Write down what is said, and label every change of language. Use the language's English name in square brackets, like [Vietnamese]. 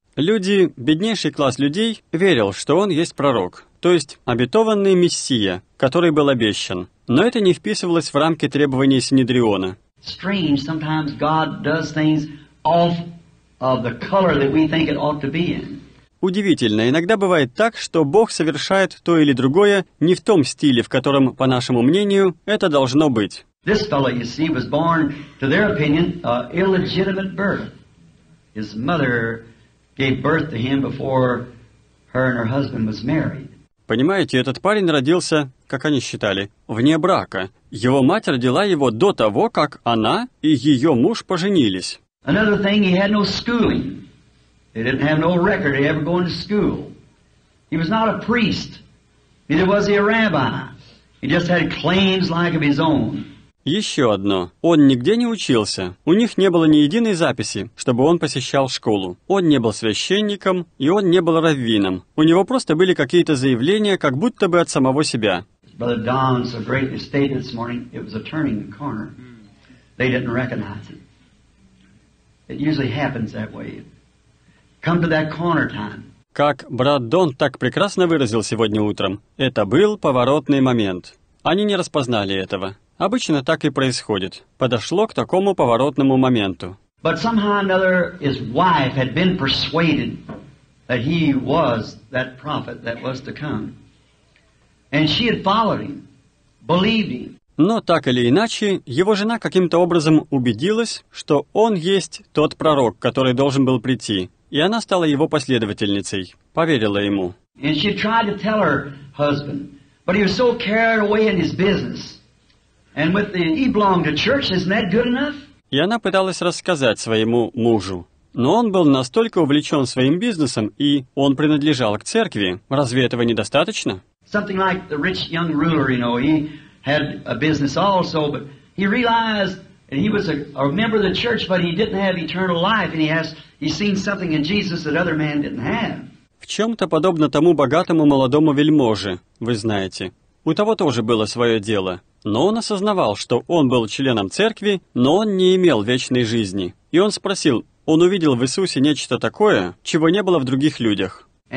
[Russian] Люди, беднейший класс людей, верил, что он есть пророк, то есть обетованный Мессия, который был обещан. Но это не вписывалось в рамки требований Синедриона. [English] Strange, sometimes God does things off of the color that we think it ought to be in. [Russian] Удивительно, иногда бывает так, что Бог совершает то или другое не в том стиле, в котором, по нашему мнению, это должно быть. [English] This fellow, you see, was born, to their opinion, an illegitimate birth. His mother gave birth to him before her and her husband was married. [Russian] Понимаете, этот парень родился, как они считали, вне брака. Его мать родила его до того, как она и ее муж поженились. [English] Another thing, he had no schooling. He didn't have no record of ever going to school. He was not a priest. Neither was he a rabbi. He just had claims like of his own. [Russian] Еще одно. Он нигде не учился. У них не было ни единой записи, чтобы он посещал школу. Он не был священником, и он не был раввином. У него просто были какие-то заявления, как будто бы от самого себя. [English] Brother Don so greatly stated this morning, it was a turning corner. They didn't recognize it. It usually happens that way. Come to that corner time. [Russian] Как брат Дон так прекрасно выразил сегодня утром, это был поворотный момент. Они не распознали этого. Обычно так и происходит. Подошло к такому поворотному моменту. [English] But somehow or another, his wife had been persuaded that he was that prophet that was to come. And she had followed him, believed him. [Russian] Но так или иначе, его жена каким-то образом убедилась, что он есть тот пророк, который должен был прийти, и она стала его последовательницей, поверила ему. [English] And she tried to tell her husband, but he was so carried away in his business. And with the he belonged to church, isn't that good enough? [Russian] И она пыталась рассказать своему мужу. Но он был настолько увлечен своим бизнесом, и он принадлежал к церкви. Разве этого недостаточно? [English] Something like the rich young ruler, you know, he had a business also, but he realized and he was a member of the church, but he didn't have eternal life, and he seen something in Jesus that other men didn't have. [Russian] В чем-то подобно тому богатому молодому вельможе, вы знаете. У того тоже было свое дело. Но он осознавал, что он был членом церкви, но он не имел вечной жизни. И он спросил, он увидел в Иисусе нечто такое, чего не было в других людях.